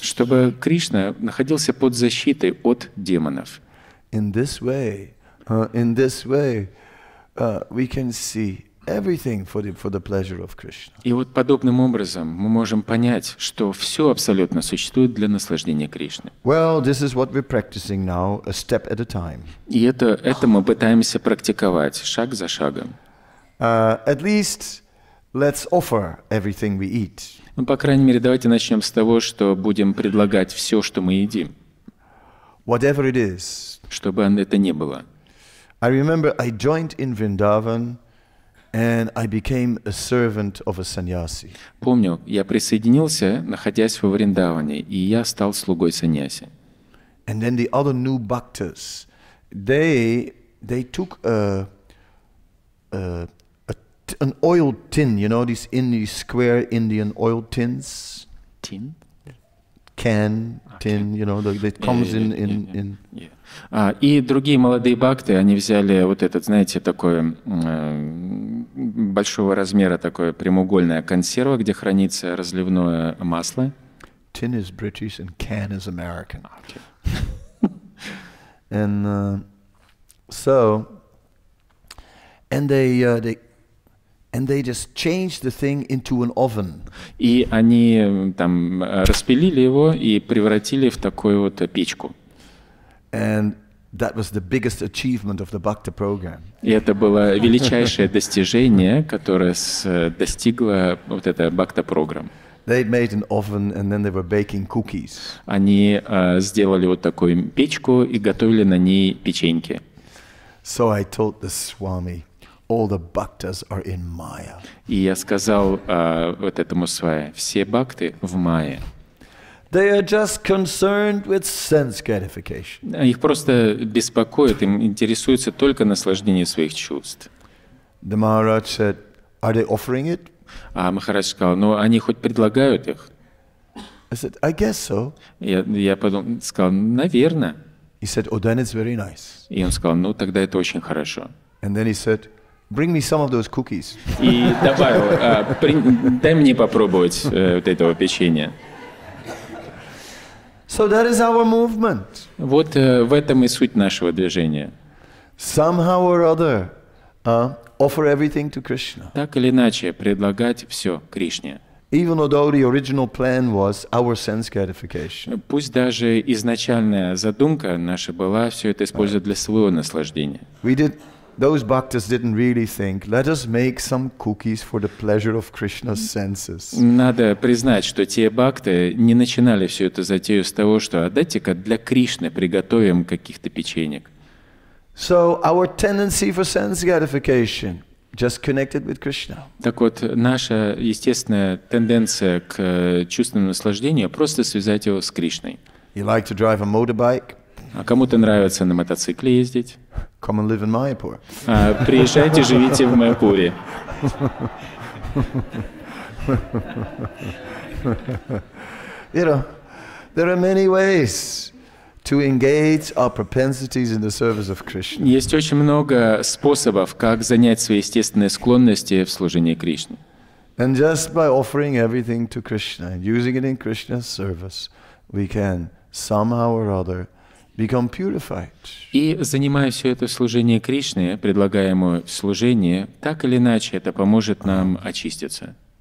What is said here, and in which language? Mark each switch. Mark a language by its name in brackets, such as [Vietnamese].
[Russian] Чтобы Кришна находился под защитой от демонов. [English] In this way, we can see. Everything for the pleasure of Krishna. [Russian] И вот подобным образом мы можем понять, что все абсолютно существует для наслаждения Кришны. [English] Well, this is what we're practicing now, a step at a time. [Russian] И это мы пытаемся практиковать шаг за шагом. [English] At least, let's offer everything we eat. [Russian] Ну, по крайней мере, давайте начнем с того, что будем предлагать все, что мы едим. [English] Whatever it is. [Russian] Чтобы это не было. [English] I remember I joined in Vrindavan. And I became a servant of a sannyasi. [Russian] Помню, я присоединился, находясь во Вриндаване, и я стал слугой сannyasi. [English] And then the other new bhaktas, they took an oil tin, you know, these Indian square Indian oil tins. Tin? Can, okay. Tin, you know, that comes in. [Russian] И другие молодые бхакты, они взяли вот этот, знаете, такой большого размера, такое прямоугольное консерва, где хранится разливное масло. [English] Tin is British and can is American. Okay. And they just changed the thing into an oven. [Russian] И они там распилили его и превратили в такую вот печку. [English] And that was the biggest achievement of the Bhakta program. [Russian] И это было величайшее достижение, которое достигла вот эта [English] Bhakta program. They made an oven and then they were baking cookies. [Russian] Они сделали вот такую печку и готовили на ней печеньки. [English] So I told the Swami, all the Bhaktas are in Maya. [Russian] И я сказал вот этому Свае, все Бхакты в Майе. [English] They are just concerned with sense gratification. [Russian] Их просто беспокоит, им интересуется только наслаждение своих чувств. [English] The Maharaj said, "Are they offering it?" [Russian] А Махарадж сказал, "Ну, они хоть предлагают их?" [English] I said, "I guess so." [Russian] Я подумал, сказал, наверное. [English] He said, "Oh, then it's very nice." [Russian] И он сказал, "Ну, тогда это очень хорошо." [English] And then he said, "Bring me some of those cookies." [Russian] И добавил, дай мне попробовать вот этого печенья. [English] So that is our movement. [Russian] Вот в этом и суть нашего движения. [English] Somehow or other, offer everything to Krishna. [Russian] Так или иначе, предлагать все Кришне. [English] Even though the original plan was our sense gratification. [Russian] Пусть даже изначальная задумка наша была все это использовать для своего наслаждения. [English] Those bhaktas didn't really think, let us make some cookies for the pleasure of Krishna's senses. [Russian] Надо признать, что те бхакты не начинали всю эту затею с того, что дайте-ка для Кришны приготовим каких-то печенек. [English] So our tendency for sense gratification just connected with Krishna. [Russian] Так вот, наша естественная тенденция к чувственному наслаждению просто связать его с Кришной. [English] You like to drive a motorbike? [Russian] А кому-то нравится на мотоцикле ездить? [English] Come and live in Mayapur. [Russian] Приезжайте, живите в Майяпуре. [English] You know, there are many ways to engage our propensities in the service of Krishna. [Russian] Есть очень много способов, как занять свои естественные склонности в служении Кришне. [English] And just by offering everything to Krishna, using it in Krishna's service, we can somehow or other become purified. [Russian] И занимая все это служение Кришне, предлагаемое служение, так или иначе это поможет нам очиститься.